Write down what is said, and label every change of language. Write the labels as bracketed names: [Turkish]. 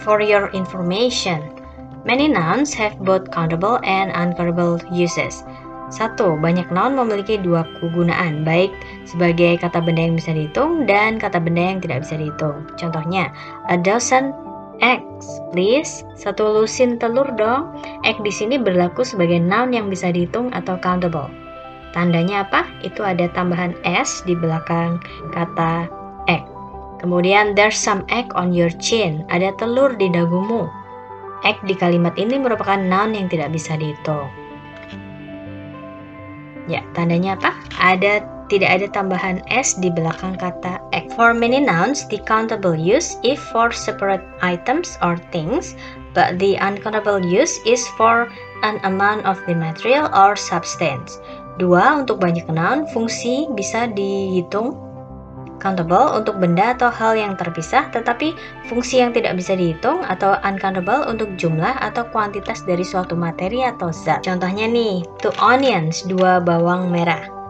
[English] For your information, many nouns have both countable and uncountable uses. 1. [Indonesian] Banyak noun memiliki dua kegunaan, baik sebagai kata benda yang bisa dihitung dan kata benda yang tidak bisa dihitung. Contohnya, [English] a dozen eggs, please. [Indonesian] Satu lusin telur dong. Egg di sini berlaku sebagai noun yang bisa dihitung atau countable. Tandanya apa? Itu ada tambahan s di belakang kata egg. Kemudian, [English] there's some egg on your chin. [Indonesian] Ada telur di dagumu. Egg di kalimat ini merupakan noun yang tidak bisa dihitung. Ya, tandanya apa? Tidak ada tambahan s di belakang kata egg. [English] For many nouns, the countable use is for separate items or things, but the uncountable use is for an amount of the material or substance. 2. [Indonesian] Untuk banyak noun, fungsi bisa dihitung. Countable untuk benda atau hal yang terpisah, tetapi fungsi yang tidak bisa dihitung atau uncountable untuk jumlah atau kuantitas dari suatu materi atau zat. Contohnya nih, [English] 2 onions, [Indonesian] 2 bawang merah.